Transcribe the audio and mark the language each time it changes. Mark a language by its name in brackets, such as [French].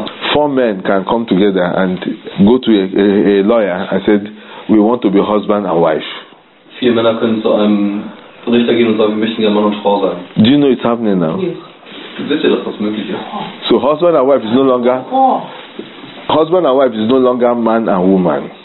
[English] Four men can come together and go to a lawyer and said, we want to be husband and wife. [German] Vier Männer können zu einem Richter gehen und sagen, wir möchten gerne Mann und Frau sein. [English] Do you know it's happening now? [German] Wisst ihr, dass das möglich ist? [English] So husband and wife is no longer man and woman.